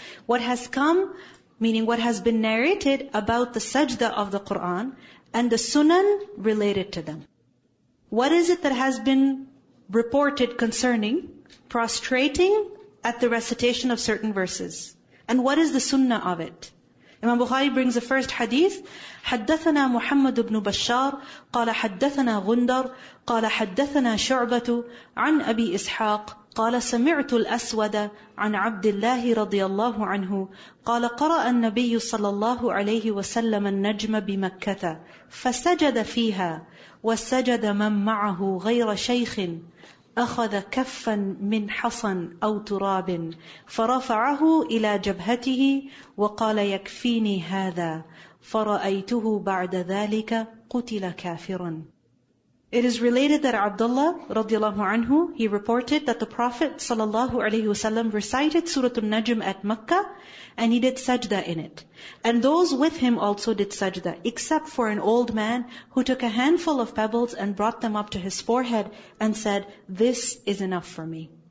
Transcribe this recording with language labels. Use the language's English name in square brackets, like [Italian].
[English] What has come, meaning what has been narrated about the sajda of the Qur'an and the sunan related to them. What is it that has been reported concerning prostrating at the recitation of certain verses? And what is the sunnah of it? Imam Bukhari brings the first hadith. [Arabic] حدثنا محمد بن بشار قال حدثنا غندر قال حدثنا شعبة عن أبي إسحاق قال سمعت الأسود عن عبد الله رضي الله عنه قال قرأ النبي صلى الله عليه وسلم النجم بمكة فسجد فيها وسجد من معه غير شيخ أخذ كفا من حصن أو تراب فرفعه إلى جبهته وقال يكفيني هذا فرأيته بعد ذلك قتل كافرا. [English] It is related that Abdullah [Arabic] رضي الله عنه, [English] he reported that the Prophet [Arabic] صلى الله عليه وسلم [English] recited Surah Al-Najm at Mecca and he did sajda in it. And those with him also did sajda, except for an old man who took a handful of pebbles and brought them up to his forehead and said, "This is enough for me."